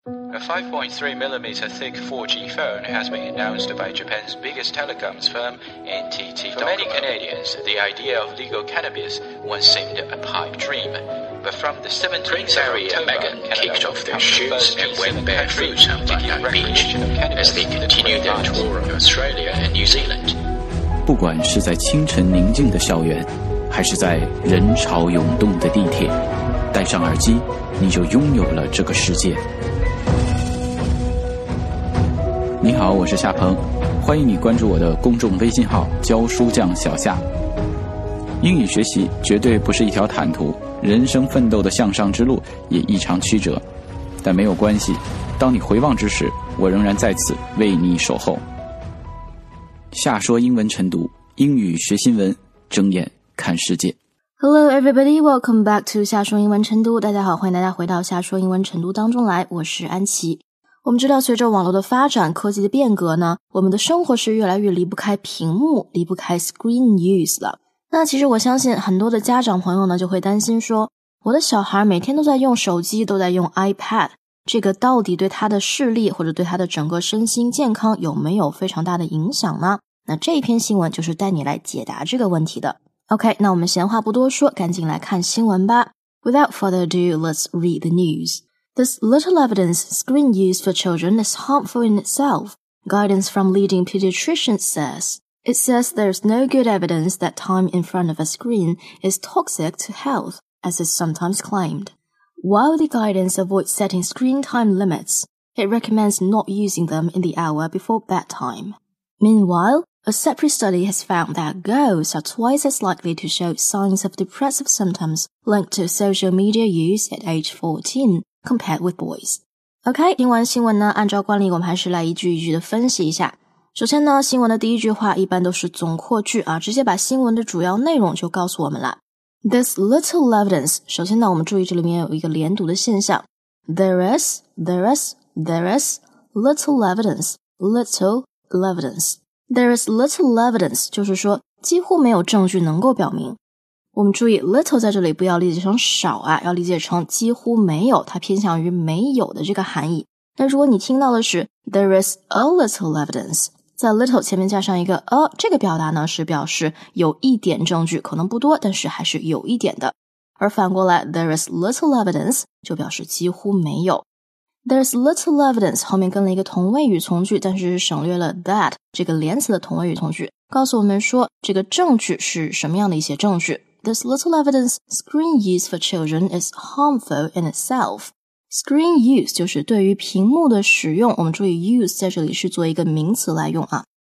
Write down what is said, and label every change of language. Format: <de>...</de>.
<en>A 5.3 millimeter thick 4G phone has been announced by Japan's biggest telecoms firm, NTT Docomo. For many Canadians, the idea of legal cannabis once seemed a pipe dream. But from the 17th of October, Megan kicked off their shoots and went barefoot on Bondi Beach as they continued their tour of Australia and New Zealand.</en> <zh>不管是在清晨宁静的校园，还是在人潮涌动的地铁，戴上耳机，你就拥有了这个世界。你好，我是夏鹏，欢迎你关注我的公众微信号教书匠小夏。英语学习绝对不是一条坦途，人生奋斗的向上之路也异常曲折，但没有关系，当你回望之时，我仍然在此为你守候。夏说英文晨读，英语学新闻，睁眼看世界。</zh> <en>Hello everybody, welcome back to 夏说英文晨读。</en> <zh>大家好，欢迎大家回到夏说英文晨读当中来，我是安琪。我们知道随着网络的发展，科技的变革呢，我们的生活是越来越离不开屏幕，离不开 screen use 了。那其实我相信很多的家长朋友呢，就会担心说，我的小孩每天都在用手机，都在用 iPad， 这个到底对他的视力或者对他的整个身心健康有没有非常大的影响呢？那这一篇新闻就是带你来解答这个问题的。OK， 那我们闲话不多说，赶紧来看新闻吧。</zh> <en>Without further ado, let's read the news. There's little evidence screen use for children is harmful in itself, guidance from leading pediatricians says. It says there's no good evidence that time in front of a screen is toxic to health, as is sometimes claimed. While the guidance avoids setting screen time limits, it recommends not using them in the hour before bedtime. Meanwhile, a separate study has found that girls are twice as likely to show signs of depressive symptoms linked to social media use at age 14. Compared with boys.</en> <zh>OK, 听完新闻呢，按照惯例我们还是来一句一句的分析一下。首先呢，新闻的第一句话一般都是总括句啊，直接把新闻的主要内容就告诉我们了。</zh> <en>There's little evidence.</en> <zh>首先呢，我们注意这里面有一个连读的现象。</zh> <en>There is little evidence. Little evidence. There is little evidence.</en> <zh>就是说几乎没有证据能够表明。我们注意 little 在这里不要理解成少啊，要理解成几乎没有，它偏向于没有的这个含义。那如果你听到的是 there is a little evidence，在 little 前面加上一个 a， 这个表达呢是表示有一点证据，可能不多，但是还是有一点的。而反过来 there is little evidence 就表示几乎没有。 there is little evidence 后面跟了一个同位语从句，但是省略了 that 这个连词的同位语从句，告诉我们说这个证据是什么样的一些证据。 There's little evidence screen use for children is harmful in itself. Screen use 就是对于屏幕的使用，我们注意 use 在这里是做一个名词来用啊。</zh>